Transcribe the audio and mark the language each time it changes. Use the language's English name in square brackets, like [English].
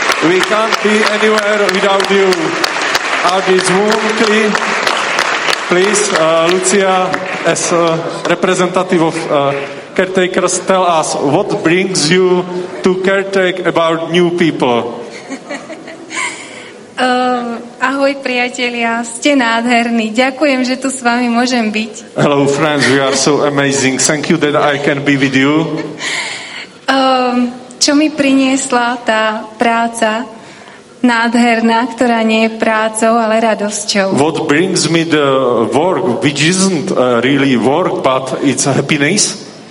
[English] We can't be anywhere without you. Our dear woman, please, Lucia, as a representative of caretakers, tell us what brings you to caretake about new people. [Slovak] Ahoj priatelia, ste nádherní. Ďakujem, že tu s vami môžem byť. [English] Hello friends, you are so amazing. Thank you that I can be with you. [Slovak] Čo mi priniesla tá práca nádherná, ktorá nie je prácou, ale radosťou? [English] What brings me the work, which isn't really work, but it's a happiness?